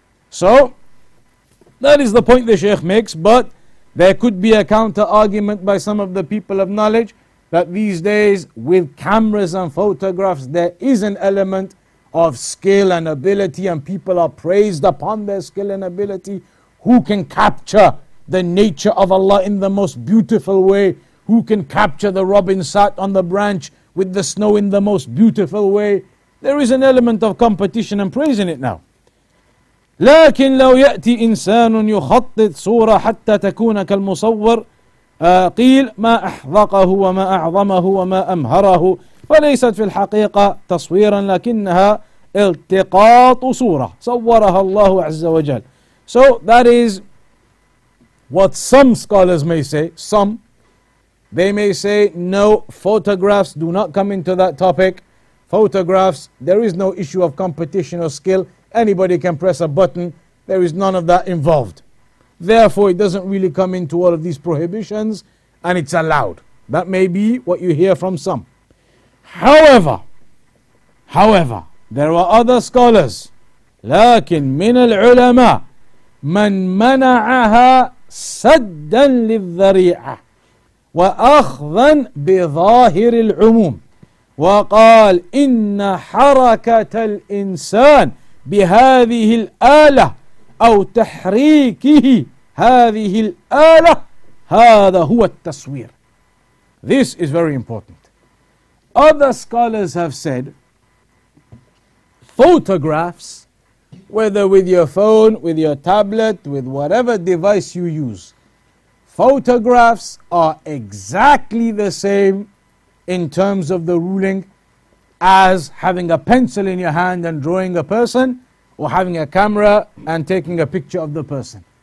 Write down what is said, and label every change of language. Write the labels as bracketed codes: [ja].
[en] So that is the point the Shaykh makes, but there could be a counter argument by some of the people of knowledge that these days with cameras and photographs there is an element of skill and ability, and people are praised upon their skill and ability. Who can capture the nature of Allah in the most beautiful way? Who can capture the robin sat on the branch with the snow in the most beautiful way? There is an element of competition and praise in it now. [ar] لكن لو يأتي إنسان يخطط صورة حتى تكون كالمصور قيل ما أحذقه وما أعظمه وما أمهره فليست في الحقيقة تصويرا لكنها التقاط صورة صورها الله عز وجل. [en] So that is what some scholars may say. Some, they may say, no, photographs do not come into that topic. Photographs, there is no issue of competition or skill. Anybody can press a button. There is none of that involved. Therefore, it doesn't really come into all of these prohibitions, and it's allowed. That may be what you hear from some. However, there are other scholars. [ar] لكن من العلماء من منعها سدا للذريعة وأخذا بظاهر العموم وقال إن حركة الإنسان بهذه الآلة أو تحريكه هذه الآلة هذا هو التصوير. [en] This is very important. Other scholars have said photographs, whether with your phone, with your tablet, with whatever device you use, photographs are exactly the same in terms of the ruling as having a pencil in your hand and drawing a person, or having a camera and taking a picture of the person.